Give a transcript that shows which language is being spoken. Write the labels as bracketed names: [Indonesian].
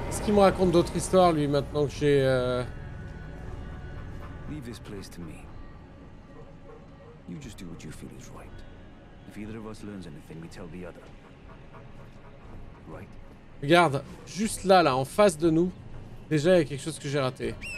[French] Il me raconte d'autres histoires, lui, maintenant que j'ai... [English] Leave this place to me. You just do what you feel is right. If either of us learns anything, we tell the other. Right? [French] Regarde, juste là, là, en face de nous, déjà, il y a quelque chose que j'ai raté.